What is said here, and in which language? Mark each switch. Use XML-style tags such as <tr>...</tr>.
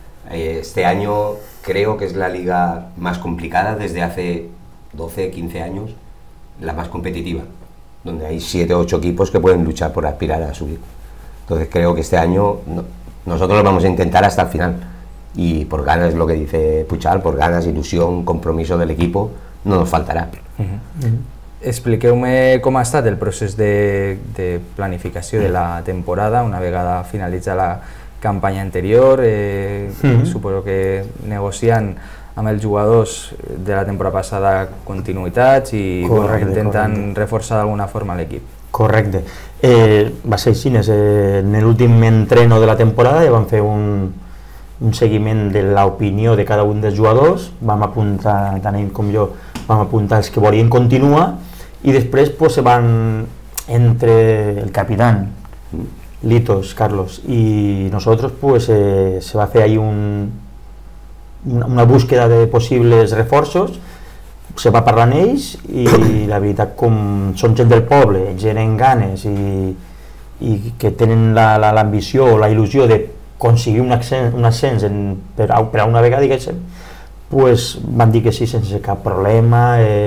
<es>Este año creo que es la liga más complicada desde hace 12, 15 años, la más competitiva, donde hay 7 o 8 equipos que pueden luchar por aspirar a subir. Entonces creo que este año nosotros lo vamos a intentar hasta el final, y por ganas, lo que dice Puchal, por ganas, ilusión, compromiso del equipo, no nos faltará.</es> <ca>Expliqueu-me com ha estat el procés de planificació de la temporada una vegada finalitza la campanya anterior. Suposo que negocien amb els jugadors de la temporada passada continuïtats i correcte, bueno, intenten reforçar d'alguna forma l'equip. Correcte. Va ser així. En l'últim entreno de la temporada ja vam fer un seguiment de l'opinió de cada un dels jugadors. Vam apuntar, tant ell com jo, vam apuntar els que volien continuar.</ca> <es>Y después pues se van entre el capitán Litos Carlos y nosotros, pues se va a hacer ahí una búsqueda de posibles refuerzos. Se va para ells, y la verdad, con son gente del pueblo, tienen ganes y que tienen la ambición o la ilusión de conseguir un ascens</es> <ca>per a una vega, diguéssim,</ca> <es>pues</es> <ca>van dir que sí sense cap problema.</ca>